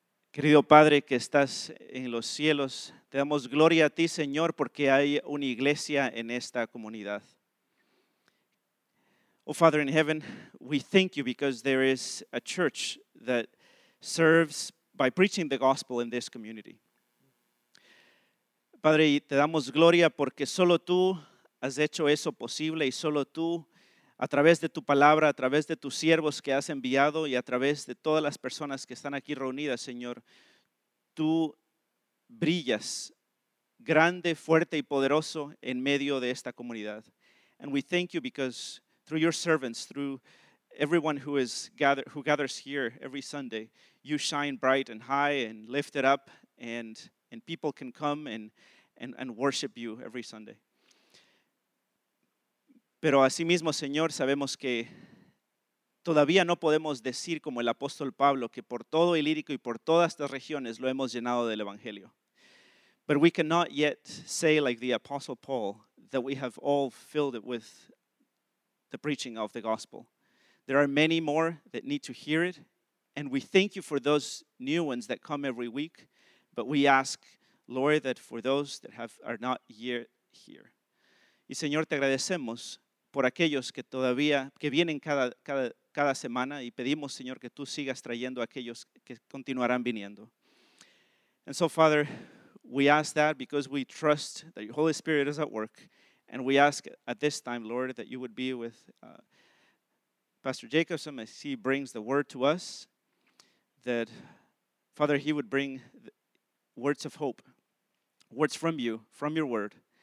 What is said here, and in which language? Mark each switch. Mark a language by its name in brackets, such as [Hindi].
[Spanish] Querido Padre que estás en los cielos, te damos gloria a ti, Señor, porque hay una iglesia en esta comunidad. [English] Oh, Father in heaven, we thank you because there is a church that serves by preaching the gospel in this community. [Spanish] Padre, te damos gloria porque solo tú has hecho eso posible y solo tú, a través de tu palabra, a través de tus siervos que has enviado y a través de todas las personas que están aquí reunidas, Señor, tú brillas grande, fuerte y poderoso en medio de esta comunidad. [English] And we thank you because through your servants, through everyone who is gathers here every Sunday, you shine bright and high and lift it up, and people can come and worship you every Sunday. [Spanish] Pero asimismo, Señor, sabemos que todavía no podemos decir como el apóstol Pablo que por todo Ilírico y por todas estas regiones lo hemos llenado del Evangelio. [English] But we cannot yet say like the apostle Paul that we have all filled it with the preaching of the gospel. There are many more that need to hear it, and we thank you for those new ones that come every week, but we ask, Lord, that for those that are not yet here. [Spanish] Y Señor, te agradecemos por aquellos que todavía, que vienen cada semana, y pedimos, Señor, que tú sigas trayendo a aquellos que continuarán viniendo. [English] And so, Father, we ask that because we trust that your Holy Spirit is at work, and we ask at this time, Lord, that you would be with Pastor Jacobsen as he brings the word to us, that, Father, he would bring words of hope, words from you, from your word.